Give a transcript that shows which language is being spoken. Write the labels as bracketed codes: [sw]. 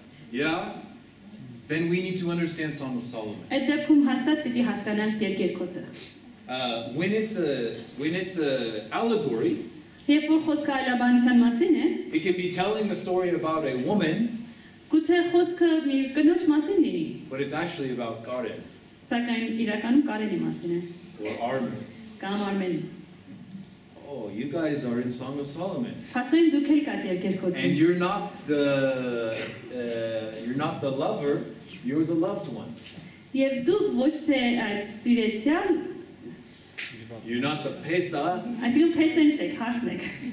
[en] Yeah, then we need to understand Song of Solomon. When it's a allegory, it can be telling a story about a woman. [hy] Գուցե խոսքը մի կնոջ մասին լինի։ [en] But it's actually about Karen. [hy] Սակայն իրականում Կարենի մասին է։ [en] Or Armen. [hy] Կամ Armen-ի։ [en] Oh, you guys are in Song of Solomon. [hy] Փաստորեն դուք եք այդ երկերքոցում։ [en] And you're not the lover, you're the loved one. [hy] Եվ դուք ոչ թե այդ սիրեցյալ։ [en] You're not the pesa. [hy] Այսինքն pesa-ն չեք, հարսնեք։